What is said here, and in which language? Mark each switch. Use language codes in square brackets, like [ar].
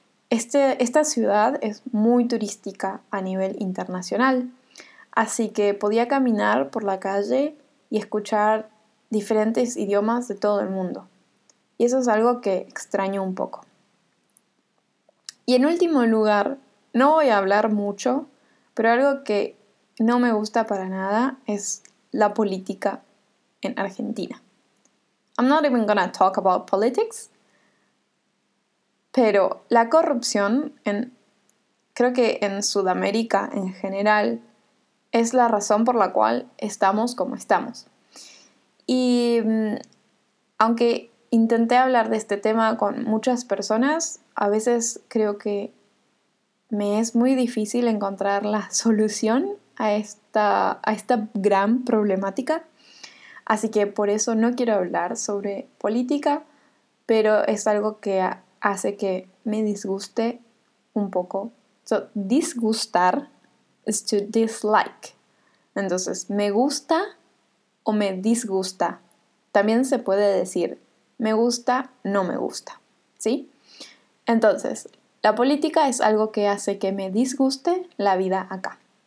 [es] Esta ciudad es muy turística a nivel internacional, así que podía caminar por la calle y escuchar diferentes idiomas de todo el mundo. Y eso es algo que extraño un poco. Y en último lugar, no voy a hablar mucho, pero algo que no me gusta para nada es la política en Argentina. [en] I'm not even gonna talk about politics. [es] Pero la corrupción, creo que en Sudamérica en general, es la razón por la cual estamos como estamos. Y aunque intenté hablar de este tema con muchas personas, a veces creo que me es muy difícil encontrar la solución a esta gran problemática. Así que por eso no quiero hablar sobre política, pero es algo que hace que me disguste un poco. [en] So, disgustar is to dislike. [es] Entonces, me gusta o me disgusta. También se puede decir me gusta, no me gusta, ¿sí? Entonces, la política es algo que hace que me disguste la vida acá.